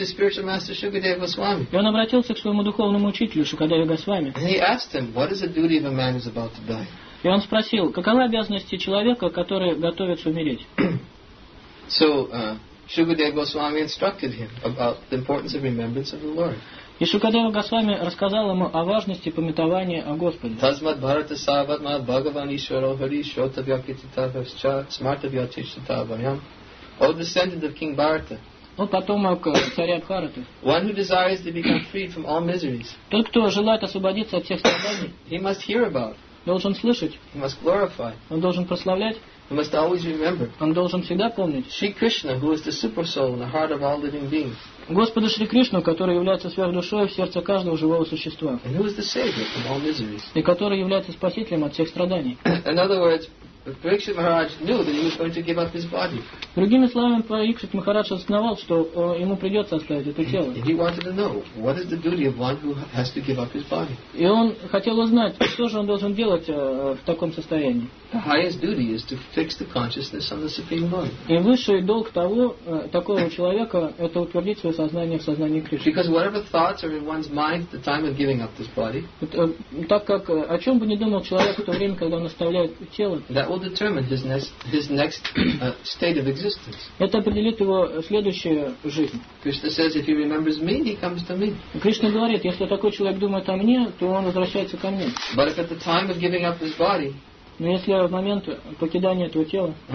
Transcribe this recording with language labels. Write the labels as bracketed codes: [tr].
[ru] И он обратился к своему духовному учителю Шукадеве Госвами. И он спросил, какова обязанность человека, который готовится умереть? [en] Shukadeva Goswami instructed him about the importance of remembrance of the Lord. [ru] И Шукадева Госвами рассказал ему о важности памятования о Господе. [sa] Тасмат Бхарата Саватмат Бхагаван Ишваро Хари Шотавья Кититавасча Смартавья Тишитавайам. [en] O descendant of King Bharata. [ru] О потомок царя Бхараты. [en] One who desires to become freed from all miseries. [ru] Тот, кто желает освободиться от всех страданий. [en] He must hear about. [ru] Должен слышать. [en] He must glorify. [ru] Он должен прославлять. [en] He must always remember. [ru] Он должен всегда помнить. [en] Shri Krishna, who is the super soul in the heart of all living beings. [ru] Господа Шри Кришну, который является сверхдушой в сердце каждого живого существа. [en] And who is the savior from all miseries. [ru] И который является спасителем от всех страданий. [en] In other words, Parikshit Maharaj knew that he was going to give up his body. [ru] Другими словами, Парикшит Махарадж осознавал, что ему придется оставить это тело. [en] He wanted to know what is the duty of one who has to give up his body. [ru] И он хотел узнать, что же он должен делать в таком состоянии. [en] The highest duty is to fix the consciousness on the Supreme Lord. [ru] И высший долг того такого человека – это утвердить свое сознание в сознании Кришны. [en] Because whatever thoughts are in one's mind at the time of giving up this body. [ru] Так как о чем бы ни думал человек в то время, когда он оставляет тело. [en] That will determine his next state of existence. [ru] Это определит его следующую жизнь. [en] Krishna says, if he remembers me, he comes to me. [ru] Кришна говорит, если такой человек думает о мне, то он возвращается ко мне. [en] But if at the time of giving up his body, [ru] но если в момент покидания этого тела,